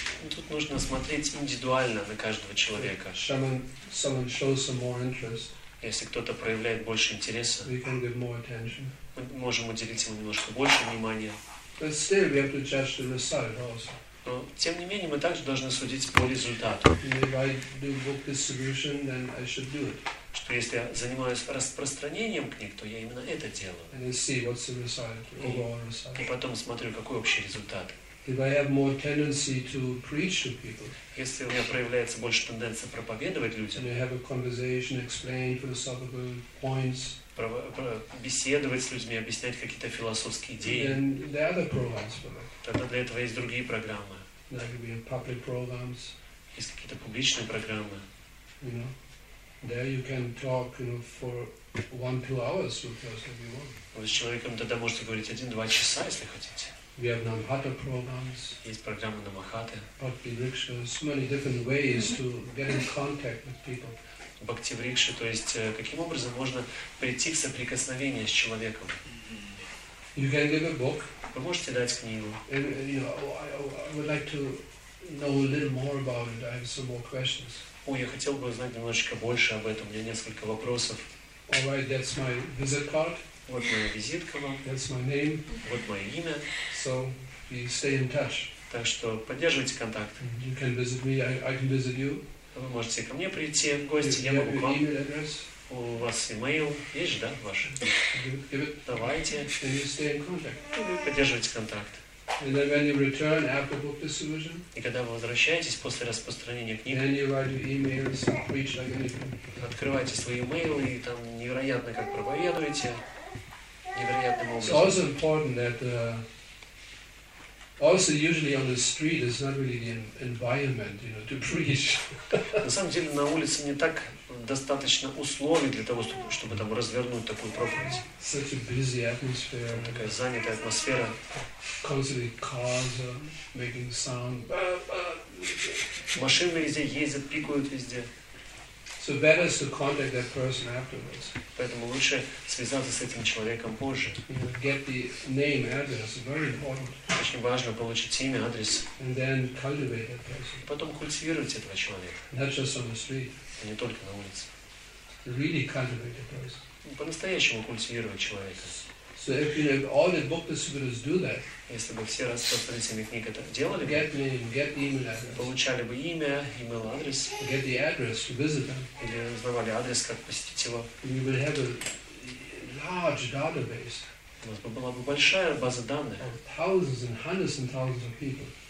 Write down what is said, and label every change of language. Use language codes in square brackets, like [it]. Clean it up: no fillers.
[ru] Тут нужно смотреть индивидуально на каждого человека. [en] Someone shows some more interest. [ru] Если кто-то проявляет больше интереса, [en] we can give more attention. [ru] Мы можем уделить ему немножко больше внимания. [en] But still we have to judge the result also. [ru] Но, тем не менее, мы также должны судить по результату. [en] If I do book distribution, then I should do it. [ru] Что если я занимаюсь распространением книг, то я именно это делаю. [en] And I see what's the result, overall result. [ru] И потом смотрю, какой общий результат. [en] If I have more tendency to preach to people, [ru] если у меня проявляется больше тенденция проповедовать людям, [en] and I have a conversation, explain philosophical points, [ru] беседовать с людьми, объяснять какие-то философские идеи, [en] then there are other programs for that. [ru] Тогда для этого есть другие программы. [en] There could be public programs. [ru] Есть какие-то публичные программы. [en] You know, there you can talk, you know, for 1-2 hours with person if you want. [ru] Вы с человеком тогда можете говорить 1-2 часа, если хотите. [en] We have Namhata programs. [ru] Есть программы Намахаты. Бхактиврикша. [en] So many different ways to get in contact with people. [ru] Бхактиврикша, то есть каким образом можно прийти к соприкосновению с человеком? [en] You can give a book. [ru] Вы можете дать книгу. [en] And, you know, I would like to know a little more about it. I have some more questions. [ru] О, я хотел бы узнать немножечко больше об этом. У меня несколько вопросов. [en] All right, that's my visit card. [ru] Вот моя визитка вам. [en] That's my name. [ru] Вот мое имя. [en] So, we stay in touch. [ru] Так что поддерживайте контакт. [en] You can visit me, I can visit you. [ru] Вы можете ко мне прийти в гости, я могу к вам. [en] Email address? [ru] У вас email есть же, да, ваш? [en] Give it. [ru] Давайте. [en] And you stay in contact. [ru] И вы поддерживайте контакт. [en] And then when you return after book distribution, [ru] и когда вы возвращаетесь после распространения книг, [en] then you write your emails, preach like anything. [ru] Открывайте свои email и там невероятно как проповедуете. [en] It's also important that also usually on the street is not really the environment, you know, to preach. [ru] На самом деле на улице не так достаточно условий для того, чтобы там развернуть такую проповедь. [en] Such a busy atmosphere. [ru] Такая занятая атмосфера. [en] Constantly cars making sound. [ru] Машины везде ездят, пикают везде. [en] So better is to contact that person afterwards. [ru] Поэтому лучше связаться с этим человеком позже. [en] Get the name, address, very important. [ru] Очень важно получить имя, адрес. [en] And then cultivate that person. [ru] Потом культивировать этого человека. [en] Not just on the street. [ru] А не только на улице. [en] Really cultivate that person. [ru] По-настоящему культивировать человека. [en] So if, you know, if all the book distributors do that, [ru] если бы все распространители книг это делали, [en] get name, get email address, [ru] получали бы имя, email адрес, [en] get the address to visit them, [ru] или узнавали адрес как посетить его, [en] we would have a large database. [ru] У нас бы была бы большая база данных. [en] Thousands and hundreds and thousands of people.